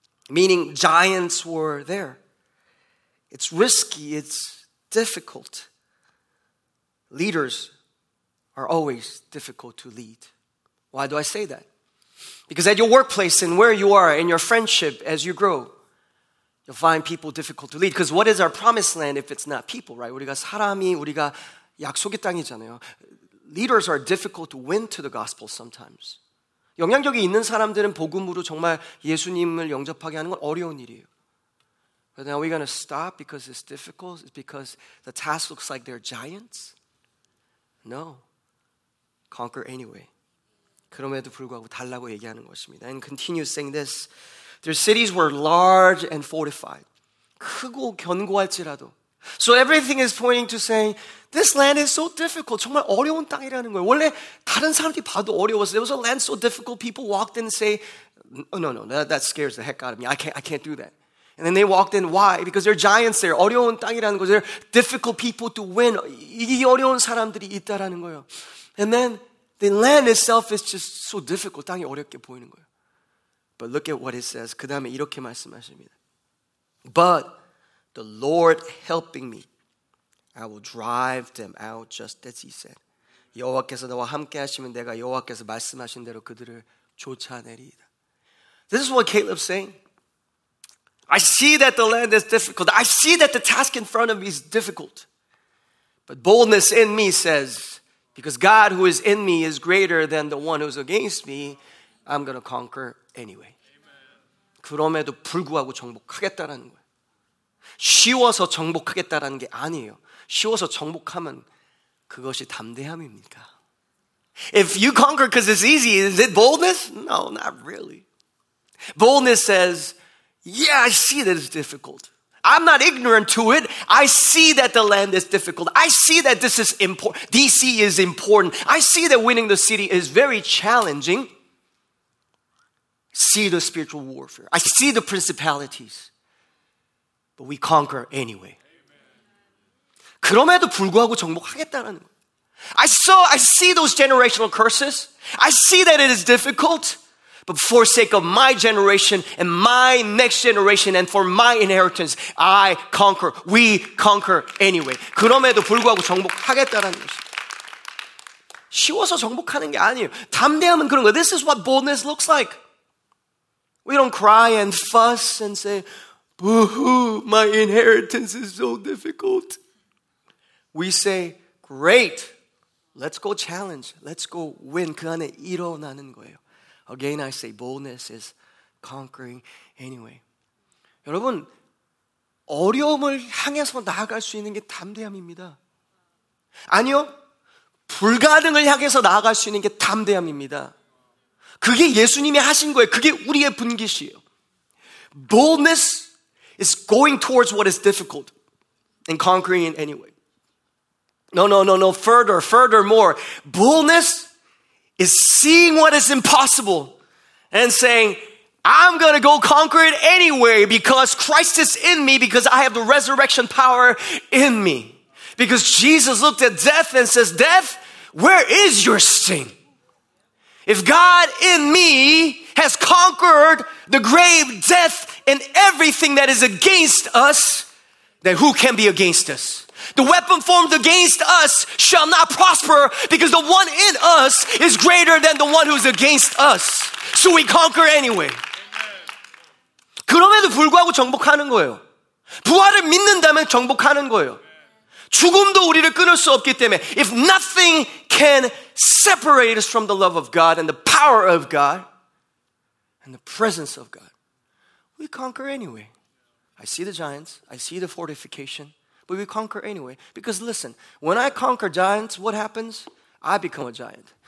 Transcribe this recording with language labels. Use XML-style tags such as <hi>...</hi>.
<en>Meaning giants were there. It's risky, it's difficult. Leaders are always difficult to lead. Why do I say that? Because at your workplace and where you are in your friendship as you grow, you'll find people difficult to lead. Because what is our promised land if it's not people, right?</en> <ko>우리가 사람이 우리가 약속의 땅이잖아요.</ko> <en>Leaders are difficult to win to the gospel sometimes.</en> <ko>영향력이 있는 사람들은 복음으로 정말 예수님을 영접하게 하는 건 어려운 일이에요.</ko> <en>But now we're going to stop because it's difficult? It's because the task looks like they're giants? No. Conquer anyway.</en> <ko>그럼에도 불구하고 달라고 얘기하는 것입니다.</ko> <en>And continue saying this. Their cities were large and fortified.</en> <ko>크고 견고할지라도.</ko> <en>So everything is pointing to saying, this land is so difficult.</en> <ko>정말 어려운 땅이라는 거예요. 원래 다른 사람들이 봐도 어려웠어요.</ko> <en>There was a land so difficult, people walked in and say, oh, no, that scares the heck out of me. I can't do that. And then they walked in. Why? Because there are giants there.</en> <ko>어려운 땅이라는 거죠.</ko> <en>There are difficult people to win.</en> <ko>이 어려운 사람들이 있다라는 거예요.</ko> <en>And then the land itself is just so difficult.</en> <ko>땅이 어렵게 보이는 거예요.</ko> <en>But look at what it says.</en> <ko>그 다음에 이렇게 말씀하십니다.</ko> <en>But the Lord helping me, I will drive them out just as he said.</en> <ko>여호와께서 나와 함께 하시면 내가 여호와께서 말씀하신 대로 그들을 쫓아내리이다.</ko> <en>This is what Caleb's saying. I see that the land is difficult. I see that the task in front of me is difficult. But boldness in me says, because God who is in me is greater than the one who's against me, I'm going to conquer anyway. Amen.</en> <ko>그럼에도 불구하고 정복하겠다라는 거예요. 쉬워서 정복하겠다라는 게 아니에요. 쉬워서 정복하면 그것이 담대함입니까?</ko> <en>If you conquer because it's easy, is it boldness? No, not really. Boldness says, yeah, I see that it's difficult. I'm not ignorant to it. I see that the land is difficult. I see that this is important. DC is important. I see that winning the city is very challenging. See the spiritual warfare. I see the principalities. But we conquer anyway.</en> <ko>그럼에도 불구하고 정복하겠다라는 거예요.</ko> <en>I see those generational curses. I see that it is difficult. But for sake of my generation and my next generation and for my inheritance, I conquer. We conquer anyway.</en> <ko>그럼에도 불구하고 정복하겠다라는 것이. 쉬워서 정복하는 게 아니에요. 담대함은 그런 거.</ko> <en>This is what boldness looks like. We don't cry and fuss and say, boo-hoo, my inheritance is so difficult. We say, great, let's go challenge, let's go win.</en> <ko>그 안에 일어나는 거예요.</ko> <en>Again, I say, boldness is conquering anyway.</en> <ko>여러분, 어려움을 향해서 나아갈 수 있는 게 담대함입니다. 아니요, 불가능을 향해서 나아갈 수 있는 게 담대함입니다. 그게 예수님이 하신 거예요. 그게 우리의 분깃이에요.</ko> <en>Boldness is going towards what is difficult and conquering it anyway. No. Further more. Boldness is seeing what is impossible and saying, I'm going to go conquer it anyway because Christ is in me, because I have the resurrection power in me. Because Jesus looked at death and says, death, where is your sting? If God in me has conquered the grave, death, and everything that is against us, then who can be against us? The weapon formed against us shall not prosper because the one in us is greater than the one who's against us. So we conquer anyway.</en> <ko>그럼에도 불구하고 정복하는 거예요. 부활을 믿는다면 정복하는 거예요. 죽음도 우리를 끊을 수 없기 때문에</ko> <en>if nothing can separate us from the love of God and the power of God and the presence of God, we conquer anyway. I see the giants. I see the fortification. But we conquer anyway. Because listen, when I conquer giants, what happens? I become a giant.</en>